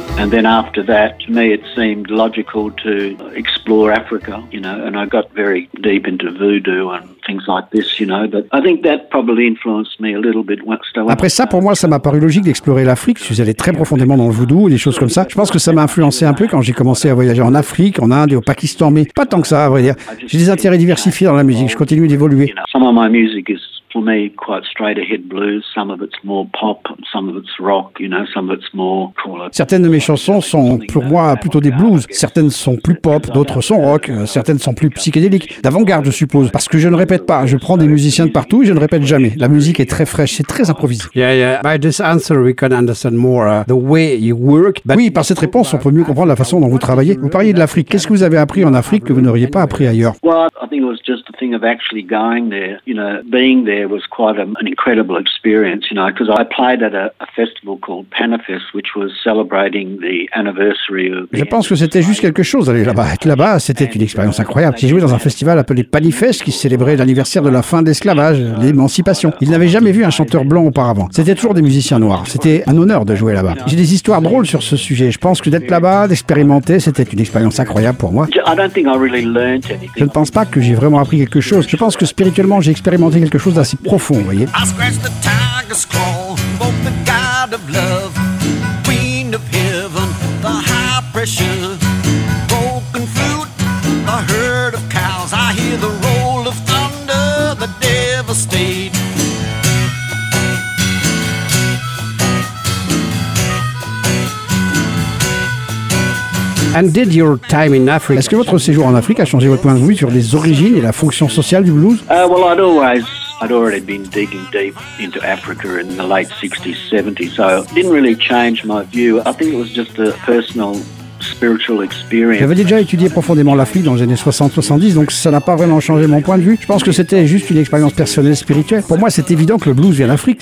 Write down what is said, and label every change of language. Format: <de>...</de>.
<en>Then after that, to me, it seemed logical to explore Africa, you know, and I got very deep into voodoo and things like this, you know, but I think that probably influenced me a little bit.</en> <fr>Après ça, pour moi, ça m'a paru logique d'explorer l'Afrique. Je suis allé très profondément dans le voodoo et des choses comme ça. Je pense que ça m'a influencé un peu quand j'ai commencé à voyager en Afrique, en Inde et au Pakistan, mais pas tant que ça, à vrai dire. J'ai des intérêts diversifiés dans la musique. Je continue d'évoluer.</fr> <en>Some of my music is... For me, quite straight-ahead blues. Some of it's more pop, some of it's rock, you know, some of it's more...</en> <fr>Certaines de mes chansons sont, pour moi, plutôt des blues. Certaines sont plus pop, d'autres sont rock, certaines sont plus psychédéliques. D'avant-garde, je suppose, parce que je ne répète pas. Je prends des musiciens de partout et je ne répète jamais. La musique est très fraîche, c'est très improvisé.</fr> <en>Yeah, yeah. By this answer, we can understand more the way you work. But...</en> <fr>Oui, par cette réponse, on peut mieux comprendre la façon dont vous travaillez. Vous parliez de l'Afrique. Qu'est-ce que vous avez appris en Afrique que vous n'auriez pas appris ailleurs?</fr> <en>Well, I think it was just the thing of actually going there, you know, being there. It was quite an incredible experience, you know, because I played at a festival called Panafest, which was celebrating the anniversary of.</en> <fr>Je pense que c'était juste quelque chose d'aller là-bas. Être là-bas, c'était une expérience incroyable. J'ai joué dans un festival appelé Panifest, qui célébrait l'anniversaire de la fin de l'esclavage, l'émancipation. Ils n'avaient jamais vu un chanteur blanc auparavant. C'était toujours des musiciens noirs. C'était un honneur de jouer là-bas. J'ai des histoires drôles sur ce sujet. Je pense que d'être là-bas, d'expérimenter, c'était une expérience incroyable pour moi. Je ne pense pas que j'ai vraiment appris quelque chose. Je pense que spirituellement, j'ai expérimenté quelque chose d'assez profond, voyez.</fr> <en>I scratch the tiger's claw, invoke the god of love, queen of heaven, the high pressure, broken fruit, a herd of cows, I hear the roll of thunder, the devastate. And did your time in Africa...</en> <fr>Est-ce que votre séjour en Afrique a changé votre point de vue sur les origines et la fonction sociale du blues?</fr> <en>Well, I'd always... I'd already been digging deep into Africa in the late 60s, 70s, so it didn't really change my view. I think it was just a personal...</en> <fr>J'avais déjà étudié profondément l'Afrique dans les années 60-70, donc ça n'a pas vraiment changé mon point de vue. Je pense que c'était juste une expérience personnelle spirituelle. Pour moi, c'est évident que le blues vient d'Afrique.</fr>